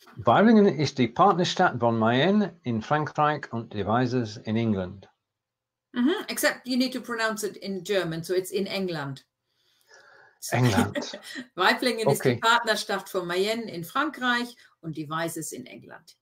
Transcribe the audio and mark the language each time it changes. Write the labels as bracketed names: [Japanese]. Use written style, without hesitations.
[German] Waiblingen ist die Partnerstadt von Mayenne in Frankreich und Devizes in England. Mm-hmm. [English] Except you need to pronounce it in German, so it's in England. England. [German] Waiblingen ist die Partnerstadt von Mayenne in Frankreich und Devizes in England.